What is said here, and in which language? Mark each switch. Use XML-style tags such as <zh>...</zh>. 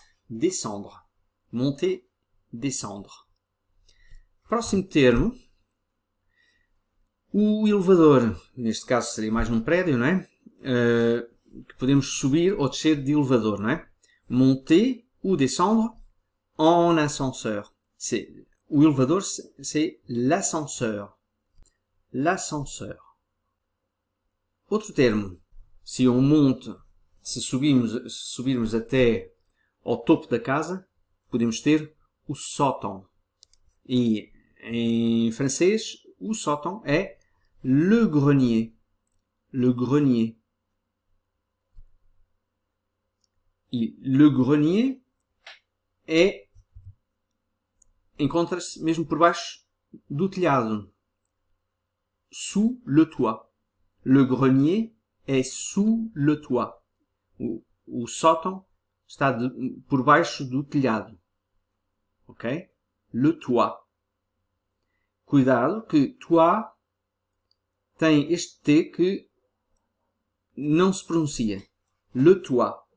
<fr>Descendre. Monter. Descendre. Próximo termo.</fr> <pt>O elevador. Neste caso seria mais num prédio, não é? Que podemos subir ou descer de elevador, não é?</pt> <fr>Monter ou descendre en ascenseur.</fr> <pt>O elevador, c'est l'ascenseur. L'ascenseur. Outro termo. Se on monte, se subirmos até ao topo da casa, podemos ter o sótão. E em francês, o sótão é le grenier. Le grenier. E le grenier é... Encontra-se mesmo por baixo do telhado.</pt> <fr>Sous le toit. Le grenier est sous le toit.</fr> <pt>O sótão está por baixo do telhado. Ok? Le toit. Cuidado que toit tem este T que não se pronuncia. Le toit.</pt>